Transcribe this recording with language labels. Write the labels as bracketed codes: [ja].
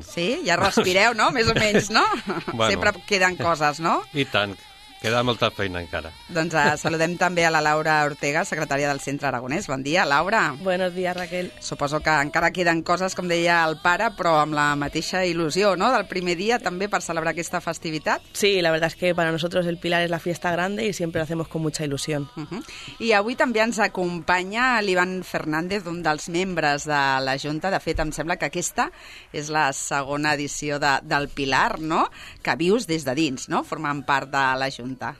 [ca] Sí, ja respireu, no? Més o menys, no? Bueno, sempre queden coses, no? I tant. Queda molta feina encara. Doncs saludem també a la Laura Ortega, secretària del Centre Aragonès. Bon dia, Laura. [es] Buenos días, Raquel. [ca] Suposo que encara queden coses, com deia el pare, però amb la mateixa il·lusió, no?, del primer dia també per celebrar aquesta festivitat. [es] Sí, la verdad es que para nosotros el Pilar es la fiesta grande y siempre lo hacemos con mucha ilusión. [ca] Uh-huh. I avui també ens acompanya l'Ivan Fernández, un dels membres de la Junta. De fet, em sembla que aquesta és la segona edició del Pilar, no?, que vius des de dins, no?, formant part de la Junta.